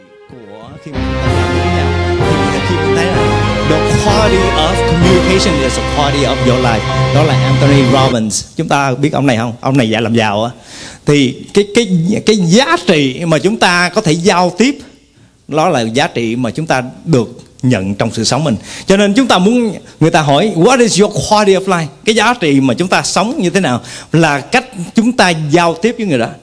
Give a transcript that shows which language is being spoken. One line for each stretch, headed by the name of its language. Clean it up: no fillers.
Vietnamese: của khi mà chúng ta làm với nhau. Thì khi mình thấy là
English: the quality of communication is the quality of your life.
Vietnamese: Đó là Anthony Robbins. Chúng ta biết ông này không? Ông này dạy làm giàu á. Thì cái giá trị mà chúng ta có thể giao tiếp, đó là giá trị mà chúng ta được nhận trong sự sống mình. Cho nên chúng ta muốn người ta hỏi
English: what is your quality of life?
Vietnamese: Cái giá trị mà chúng ta sống như thế nào là cách chúng ta giao tiếp với người đó.